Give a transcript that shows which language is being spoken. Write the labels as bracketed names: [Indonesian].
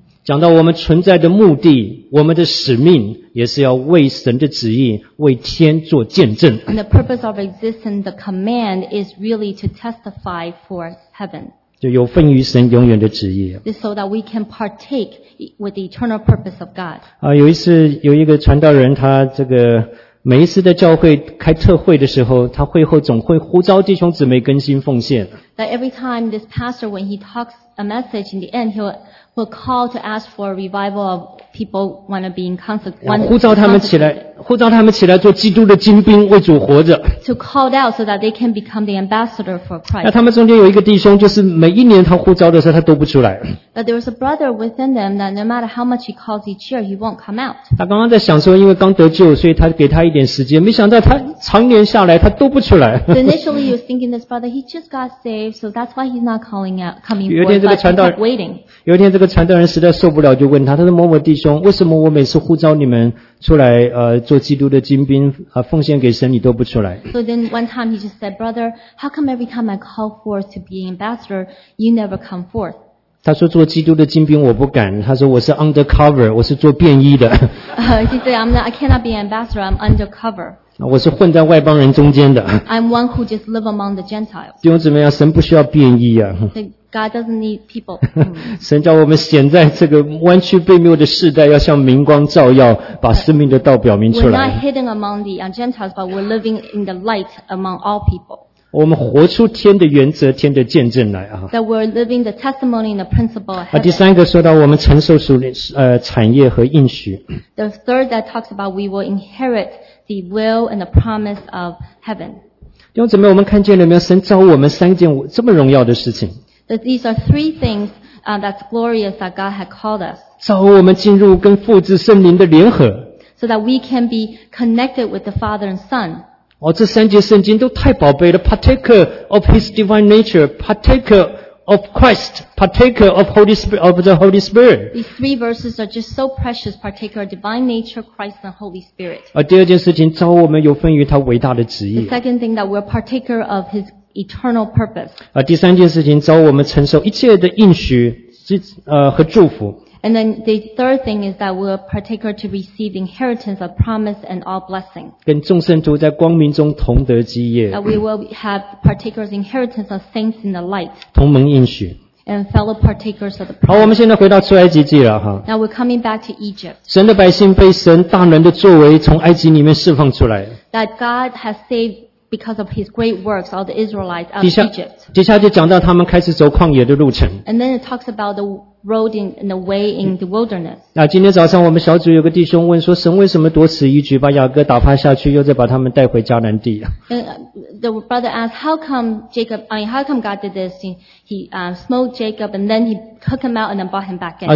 [Chinese] 讲到我们存在的目的，我们的使命也是要为神的旨意，为天做见证。 [English] And the purpose of existence, the command is really to testify for heaven. [Chinese] 就有份于神永远的旨意。 [English] So that we can partake with the eternal purpose of God. [Chinese] 有一次有一个传道人，他这个每一次在教会开特会的时候，他会后总会呼召弟兄姊妹更新奉献。 [English] That every time this pastor, when he talks a message in the end, he will call to ask for a revival of people want to be in consecrated. [Chinese] 呼召他们起来做基督的精兵，为主活着。 [English] To call out so that they can become the ambassador for Christ. [Chinese] 那他们中间有一个弟兄，就是每一年他呼召的时候，他都不出来。 [English] But there was a brother within them that no matter how much he calls each year, he won't come out. [Chinese] 他刚刚在想说，因为刚得救，所以他给他一点时间，没想到他常年下来，他都不出来。 [English] So、initially, he was thinking this brother, he just got saved. So that's why he's not calling out, coming forward. [Chinese] 有一天这个传道人 [English] waiting. [Chinese] 有一天这个传道人实在受不了，就问他，他说：“某某弟兄，为什么我每次呼召你们出来，做基督的精兵，奉献给神，你都不出来 [English] ？”So then one time he just said, "Brother, how come every time I call forth to be an ambassador, you never come forth?" [Chinese] 他说：“做基督的精兵我不敢。” 他说：“我是 undercover， 我是做便衣的。 [English] ”He said, "I cannot be an ambassador. I'm undercover." [Chinese] 我是混在外邦人中间的。 [English] I'm one who just live among the Gentiles. [Chinese] 弟兄姊妹啊，神不需要变异啊。 [English] God doesn't need people. [Chinese] 神叫我们显在这个弯曲悖谬的世代，要像明光照耀，把生命的道表明出来。 [English] We're not hidden among the Gentiles, but we're living in the light among all people. [Chinese] 我们活出天的原则，天的见证来啊。 [English] That we're living the testimony and the principle of heaven. [Chinese] 第三个说到我们承受属灵产业和应许。 [English] The third that talks about we will inherit. The will and the promise of heaven. [Chinese] 弟兄姊妹，我们看见了没有？神召我们三件这么荣耀的事情。 [English] That these are three things that's glorious that God had called us. [Chinese] 召我们进入跟父子圣灵的联合。 [English] So that we can be connected with the Father and Son. [Chinese] 哦，这三节圣经都太宝贝了。 [English] Partaker of His divine nature, partaker of Christ, partaker of Holy Spirit, of the Holy Spirit. These three verses are just so precious, partaker of divine nature, Christ and Holy Spirit. [Chinese] 第二件事情，召我们有份于他伟大的旨意。 [English] The second thing that we're partaker of his eternal purpose. [Chinese] 第三件事情，召我们承受一切的应许和祝福。 [English] And then the third thing is that we're partaker to receive inheritance of promise and all blessing. [Chinese] 跟众圣徒在光明中同得基业。 [English] That we will have partakers inheritance of saints in the light. [Chinese] 同盟应许。 [English] And fellow partakers of the promise. [Chinese] 好，我们现在回到出埃及记了哈。 [English] Now we're coming back to Egypt. [Chinese] 神的百姓被神大能的作为从埃及里面释放出来。 [English] That God has saved because of His great works all the Israelites out of Egypt. [Chinese] 底下就讲到他们开始走旷野的路程。 [English] And then it talks about the road in the way in the wilderness. [Chinese] 今天早上我们小组有个弟兄问说，神为什么多此一举把雅各打发下去，又再把他们带回迦南地？ [English] The brother asked, how come God did this? He smote Jacob and then he took him out and then brought him back in.